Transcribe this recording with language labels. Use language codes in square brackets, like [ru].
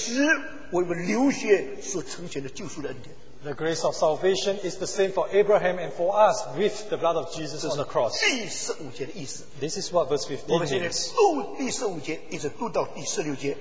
[zh] 我们的赦罪的恩典，同亚伯拉罕的赦罪的恩典，同样是基督在十字架上为我们流血所成全的救赎的恩典。 [en] The grace of salvation is the same for Abraham and for us with the blood of Jesus on the cross. [zh] 第十五节的意思。 [en] This is what verse 15 means. [zh] 我们现在读第十五节，一直读到第十六节。